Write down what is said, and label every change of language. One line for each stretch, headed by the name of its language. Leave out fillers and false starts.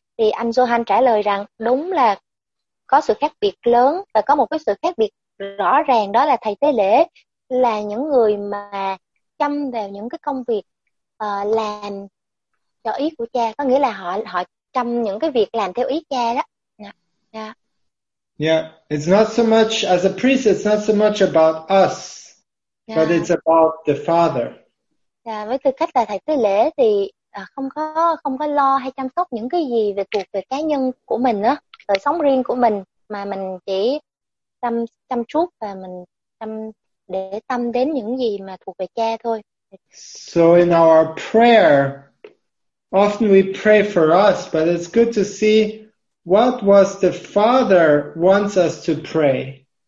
Vietnamese: Thì anh Johan trả lời rằng đúng là có sự khác biệt lớn, và có một cái sự khác biệt rõ ràng, đó là thầy tế lễ là những người mà chăm vào những cái công việc làm cho ý của Cha, có nghĩa là họ chăm những cái việc làm theo ý Cha đó.
English: Yeah, it's not so much as a priest, it's not so much about us, but it's about the Father.
Vietnamese: Yeah, với tư cách là thầy tế lễ thì không có lo hay chăm sóc những cái gì về cuộc đời cá nhân của mình á, đời sống riêng của mình, mà mình chỉ chăm chút và mình chăm để tâm đến những gì mà thuộc về Cha thôi.
English: So in our prayer, often we pray for us, but it's good to see what was the Father wants us to pray?